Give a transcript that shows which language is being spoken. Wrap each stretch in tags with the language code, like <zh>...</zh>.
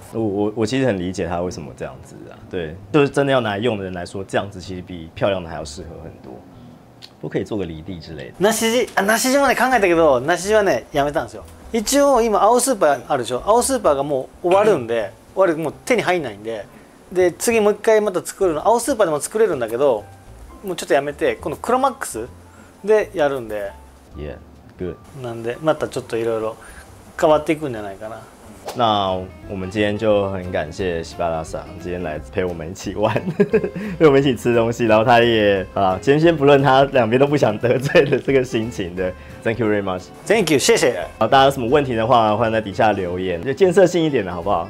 <zh>我其实很理解他为什么这样子啊，对，就是真的要拿来用的人来说，这样子其实比漂亮的还要适合很多。都可以做个离地之类的。</zh> <ja>梨島で考えたけど、梨島ね、やめたんですよ。一応今青スーパーあるでしょ、青スーパーがもう終わるんで、終わる、もう手に入んないんで、で次もう一回また作るの、青スーパーでも作れるんだけど、もうちょっとやめて、このクロマックスでやるんで。</ja> <en>Yeah, good.</en> <ja>なんでまたちょっといろいろ変わっていくんじゃないかな。</ja> <zh>那我们今天就很感谢西巴拉桑今天来陪我们一起玩陪我们一起吃东西，然后他也啊，今天先不论他两边都不想得罪的这个心情的。</zh> <en>Thank you very much. Thank you,</en> <zh>谢谢。好，大家有什么问题的话，欢迎在底下留言，就建设性一点的好不好？</zh>